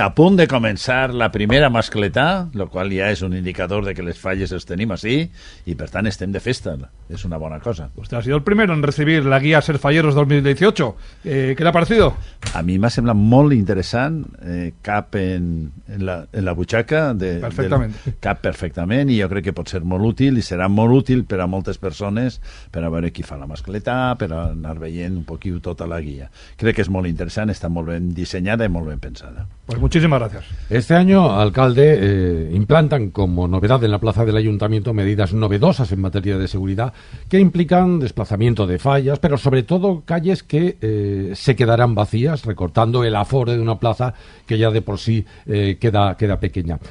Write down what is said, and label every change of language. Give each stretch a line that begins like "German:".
Catalan: A punt de començar la primera mascletà, lo qual ja és un indicador de que les falles els tenim així, i per tant estem de festa. És una bona cosa.
Spanish: Usted ha sido el primero en recibir la guía Ser Falleros 2018. ¿Qué le ha parecido?
Catalan: A mi m'ha semblat molt interessant. Cap en la butxaca. Perfectament, i jo crec que pot ser molt útil, i serà molt útil per a moltes persones, per a veure qui fa la mascletà, per a anar veient un poquiu tota la guía. Crec que és molt interessant, està molt ben dissenyada i molt ben pensada.
Spanish: Pues muchísimas gracias. Este año, alcalde, implantan como novedad en la plaza del ayuntamiento medidas novedosas en materia de seguridad que implican desplazamiento de fallas, pero sobre todo calles que se quedarán vacías, recortando el aforo de una plaza que ya de por sí queda pequeña.